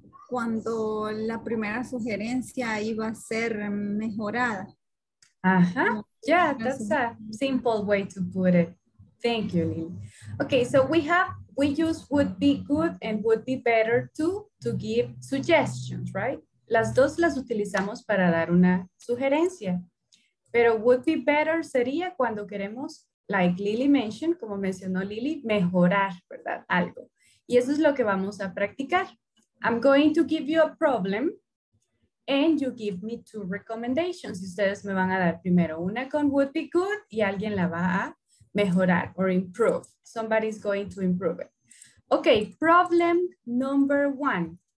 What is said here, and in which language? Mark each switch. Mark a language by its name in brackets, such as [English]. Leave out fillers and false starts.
[Spanish] Cuando la primera sugerencia iba a ser mejorada. Ajá. [English] Yeah, that's a simple way to put it. Thank you, Lily. Okay, so we use would be good and would be better to give suggestions, right? [Spanish] Las dos las utilizamos para dar una sugerencia. Pero would be better sería cuando queremos, [English] like Lily mentioned, [Spanish] como mencionó Lily, mejorar, ¿verdad? Algo. Y eso es lo que vamos a practicar. [English] I'm going to give you a problem and you give me two recommendations. [Spanish] Y ustedes me van a dar primero una con would be good y alguien la va a mejorar or improve. [English] Somebody's going to improve it. Okay, problem number one.